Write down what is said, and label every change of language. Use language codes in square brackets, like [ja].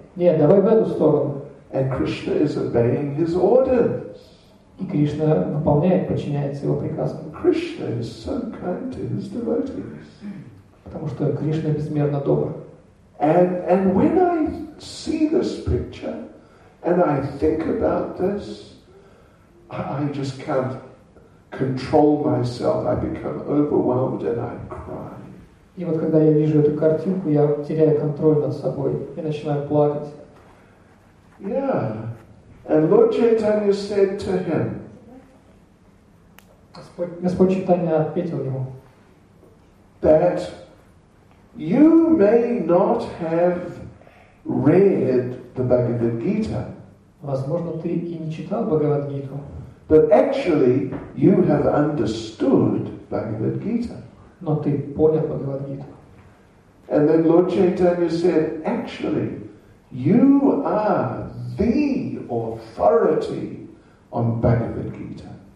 [ru] Нет, давай в эту сторону. [en] And Krishna is obeying his orders. [ru] И Кришна выполняет, подчиняется его приказам. [en] Krishna is so kind to his devotees. [ru] Потому что Кришна безмерно добр. [en] And when I see this picture and I think about this, I just can't control myself. I become overwhelmed and I cry. [ru] И вот когда я вижу эту картинку, я теряю контроль над собой и начинаю плакать. [en] Yeah. And Lord Chaitanya said to him, [ru] Господь Чайтанья ответил ему, [en] that you may not have read the Bhagavad Gita. [ru] Возможно, ты и не читал Бхагавад Гиту. [en] But actually, you have understood Bhagavad Gita. [ru] Но ты понял Бхагавад Гиту. [en] And then Lord Chaitanya said, actually, you are the authority on Bhagavad Gita.